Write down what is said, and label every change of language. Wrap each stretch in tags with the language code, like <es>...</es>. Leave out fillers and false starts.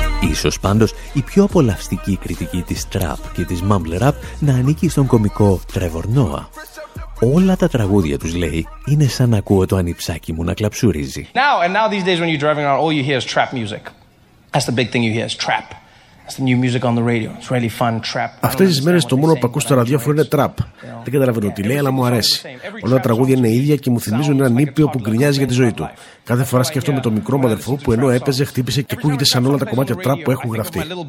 <el>Ίσως πάντως η πιο απολαυστική κριτική της trap και της mumble rap να ανήκει στον κωμικό Trevor Noah. Όλα τα τραγούδια τους, λέει, είναι σαν να ακούω το ανιψάκι μου να κλαψουρίζει.</el> <en>Now these days when you're driving around, all you hear is trap music. That's the big thing you hear is trap. That's the new music on the radio. It's really fun trap.</en> <el>Αυτές τις μέρες το μόνο που ακούω στο ραδιόφωνο είναι trap. Δεν καταλαβαίνω τι λέει, αλλά μου αρέσει. Όλα τα τραγούδια είναι ίδια και μου θυμίζουν έναν ήπιο που γκρινιάζει για τη ζωή του. Κάθε φορά σκέφτομαι τον μικρό μου αδερφό που ενώ έπαιζε, χτύπησε και ακούγεται σαν όλα τα κομμάτια trap που έχουν γραφτεί.</el>